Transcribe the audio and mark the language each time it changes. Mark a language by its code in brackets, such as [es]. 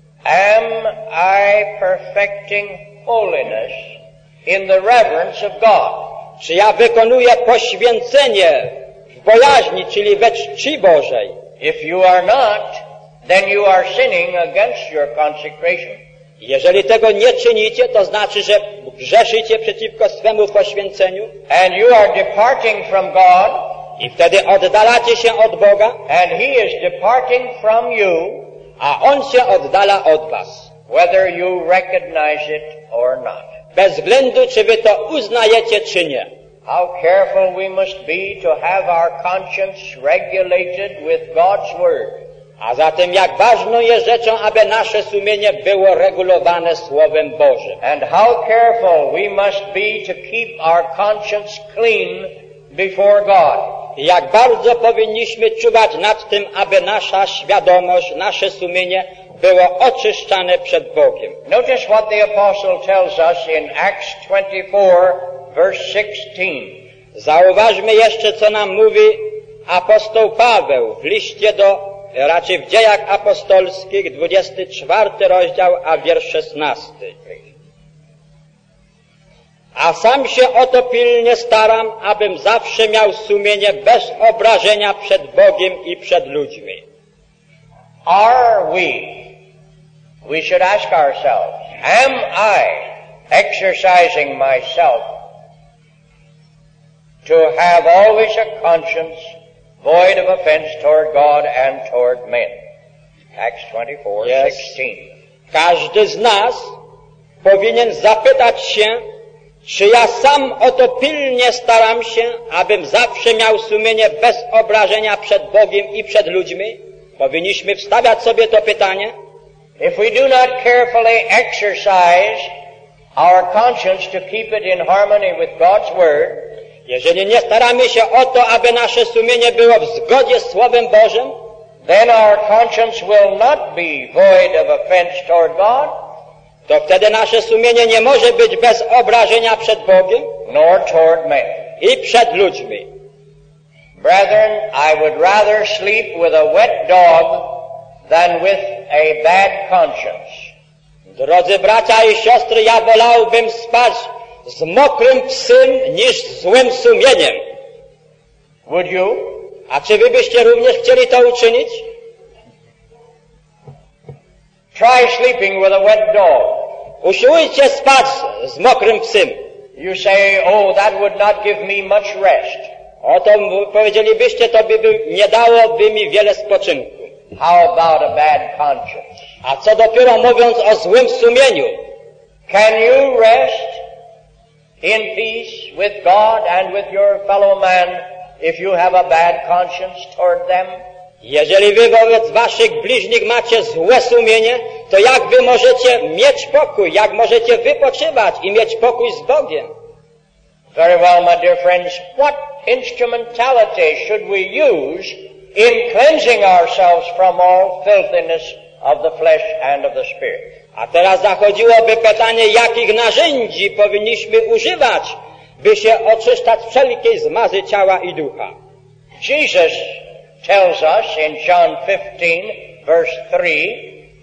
[en] Am I perfecting holiness in the reverence of God? [pl] Czy ja wykonuję poświęcenie w bojaźni, czyli we czci Bożej? [en] If you are not, then you are sinning against your consecration. [pl] Jeżeli tego nie czynicie, to znaczy, że grzeszycie przeciwko swemu poświęceniu. [en] And you are departing from God. [pl] I wtedy oddalacie się od Boga. [en] And He is departing from you. [pl] A On się oddala od was. [en] Whether you recognize it or not. [pl] Bez względu, czy wy to uznajecie, czy nie. [en] How careful we must be to have our conscience regulated with God's word. [pl] A zatem jak ważną jest rzeczą, aby nasze sumienie było regulowane Słowem Bożym. [en] And how careful we must be to keep our conscience clean before God. [pl] Jak bardzo powinniśmy czuwać nad tym, aby nasza świadomość, nasze sumienie było oczyszczane przed Bogiem. [en] Notice what the apostle tells us in Acts 24, verse 16. [pl] Zauważmy jeszcze, co nam mówi apostoł Paweł w liście do, raczej w Dziejach Apostolskich, 24 rozdział, a wiersz 16. A sam się o to pilnie staram, abym zawsze miał sumienie bez obrażenia przed Bogiem i przed ludźmi. [en] Are we should ask ourselves, Am I exercising myself to have always a conscience void of offense toward God and toward men? Acts 24:16. [pl] Każdy z nas powinien zapytać się, czy ja sam o to pilnie staram się, abym zawsze miał sumienie bez obrażenia przed Bogiem i przed ludźmi? Powinniśmy wstawiać sobie to pytanie. [en] If we do not carefully exercise our conscience to keep it in harmony with God's word, [pl] jeżeli nie staramy się o to, aby nasze sumienie było w zgodzie z Słowem Bożym, [en] then our conscience will not be void of offense toward God, [pl] to wtedy nasze sumienie nie może być bez obrażenia przed Bogiem, [en] nor toward men, [pl] i przed ludźmi. [en] Brethren, I would rather sleep with a wet dog than with a bad conscience. [pl] Drodzy bracia i siostry, ja wolałbym spać z mokrym psem niż złym sumieniem. [en] Would you? [pl] A czy wy byście również chcieli to uczynić? [en] Try sleeping with a wet dog. [pl] Usiłujcie spać z mokrym psem. [en] You say, oh, that would not give me much rest. [pl] O to powiedzielibyście, to by nie dałoby mi wiele spoczynku. [en] How about a bad conscience? [pl] A co dopiero mówiąc o złym sumieniu? [en] Can you rest in peace with God and with your fellow man if you have a bad conscience toward them? [pl] Jeżeli wy wobec waszych bliźnich macie złe sumienie, to jak wy możecie mieć pokój? Jak możecie wypoczywać i mieć pokój z Bogiem? [en] Very well, my dear friends. What instrumentality should we use in cleansing ourselves from all filthiness of the flesh and of the spirit? [pl] A teraz zachodziłoby pytanie, jakich narzędzi powinniśmy używać, by się oczyszczać z wszelkiej zmazy ciała i ducha? [en] Jesus tells us in John 15, verse 3.